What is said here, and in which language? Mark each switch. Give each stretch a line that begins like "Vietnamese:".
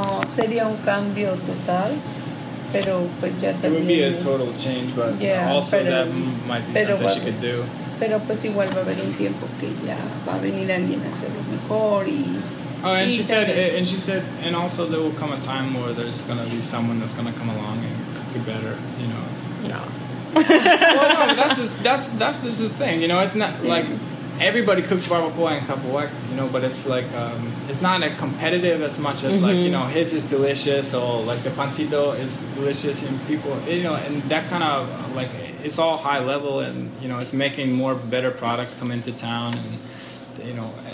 Spanish: Sería un cambio total, pero pues ya también...
English: It would be a total change, but that might be something she could do.
Spanish: Pero pues igual va a haber un tiempo que ya va a venir alguien a hacerlo mejor y...
English: Oh, and she said, and also there will come a time where there's going to be someone that's going to come along and cook it better, you know. No. that's just the thing, you know. It's not like everybody cooks barbacoa and capoeira, you know, but it's like, it's not a competitive as much as like, you know, his is delicious or like the pancito is delicious and people, you know, and that kind of like, it's all high level and, you know, it's making more better products come into town and, you know.